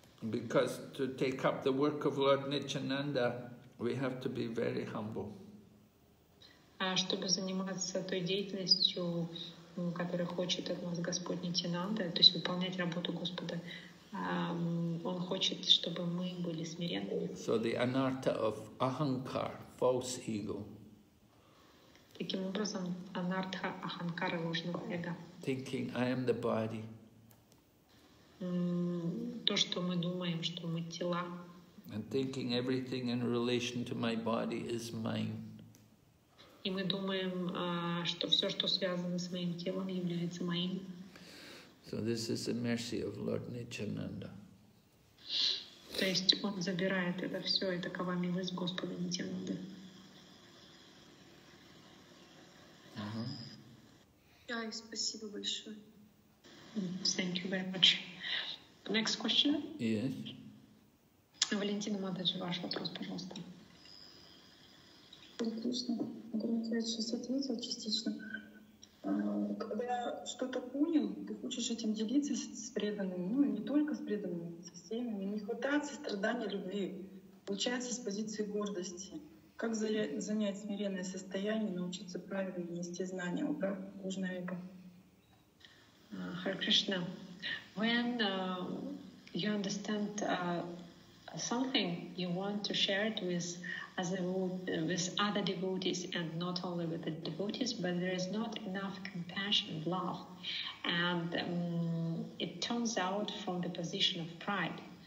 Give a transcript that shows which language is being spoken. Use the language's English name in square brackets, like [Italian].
[English] Because to take up the work of Lord Nityananda, we have to be very humble. [Russian] Чтобы заниматься той деятельностью, которую хочет от нас Господь Нитянанда, то есть выполнять работу Господа, он хочет, чтобы мы были смиренными. [English] So the anartha of ahankar, false ego. [Russian] Таким образом, анартха аханкара, ложного эго. [English] Thinking I am the body. [Russian] То, что мы думаем, что мы тела. [English] And thinking everything in relation to my body is mine. [Russian] И мы думаем, что все, что связано с моим телом, является моим. [English] So this is the mercy of Lord Nityananda. [Russian] То есть он забирает это все, и такова милость Господа Нитянанды. Ай, спасибо большое. [English] Thank you very much. Next question. Yes. [Russian] Валентина Матаджи, ваш вопрос, пожалуйста. Отлично. Я сейчас ответил частично. Когда что-то понял, ты хочешь этим делиться с преданными, ну и не только с преданными, со всеми. Не хватает сострадания, любви. Получается с позиции гордости. Как занять смиренное состояние, научиться правильно нести знания, убрать ложное эго? [English] Hare Krishna, when you understand something, you want to share it with with other devotees, and not only with the devotees, but there is not enough compassion and love, and it turns out from the position of pride.